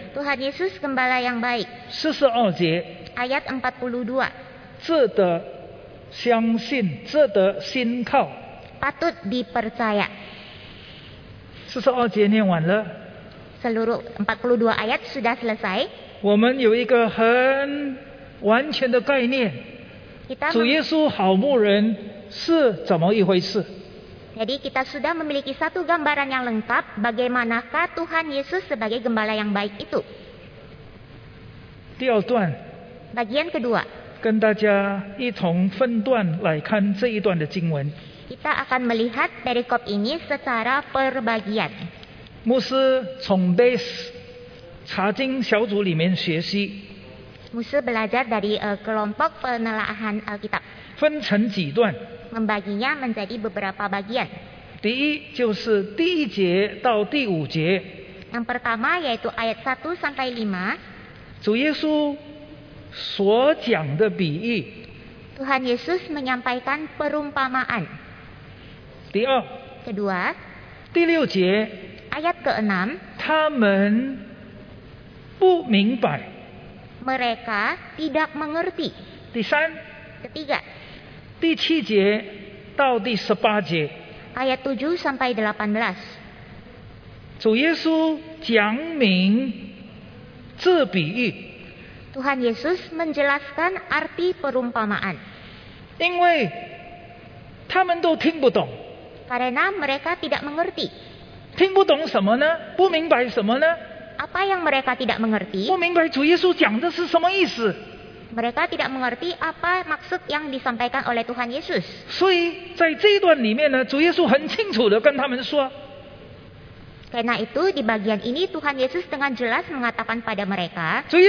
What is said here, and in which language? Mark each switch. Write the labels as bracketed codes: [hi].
[id] Tuhan Yesus gembala yang baik. [zh] 42节 [id] ayat 42. [zh] 值得相信，值得信靠， [id] patut dipercaya. [zh] 42节念完了， [id] seluruh 42 ayat sudah selesai. [zh] 我们有一个很完全的概念， 主耶稣好牧人是怎么一回事。 [id] Jadi kita sudah memiliki satu gambaran yang lengkap bagaimanakah Tuhan Yesus sebagai gembala yang baik itu. [zh] 第二段 [id] bagian kedua [zh] 跟大家一同分段来看这一段的经文。 [id] Kita akan melihat perikop ini secara perbagian. [zh] 牧师从 base 查经小组里面学习。 [id] 牧师 belajar dari kelompok penelaahan Alkitab. [zh] 分成几段。 [id] Membaginya menjadi beberapa bagian. [zh] 第一就是第一节到第五节。 [id] Yang pertama yaitu ayat 1 sampai 5. [zh] 主耶稣所讲的比喻。 [id] Tuhan Yesus menyampaikan perumpamaan. [zh] 第二。 [id] Kedua. [zh] 第六节。 [id] Ayat ke-6. [zh] 他们不明白。 [id] Mereka tidak mengerti. [zh] 第三。 [id] Ketiga. [zh] 第七节到第十八节 [id] ayat 7 sampai 18 [zh] 主耶稣讲明这比喻 [id] Tuhan Yesus menjelaskan arti perumpamaan [zh] 因为他们都听不懂 [id] karena mereka tidak mengerti [zh] 听不懂什么呢不明白什么呢 [id] apa yang mereka tidak mengerti [zh] 不明白主耶稣讲的是什么意思 [id] Mereka tidak mengerti apa maksud yang disampaikan oleh Tuhan Yesus. [zh] 所以在这一段里面呢，主耶稣很清楚地跟他们说， [id] Karena itu di bagian ini Tuhan Yesus dengan jelas mengatakan pada mereka.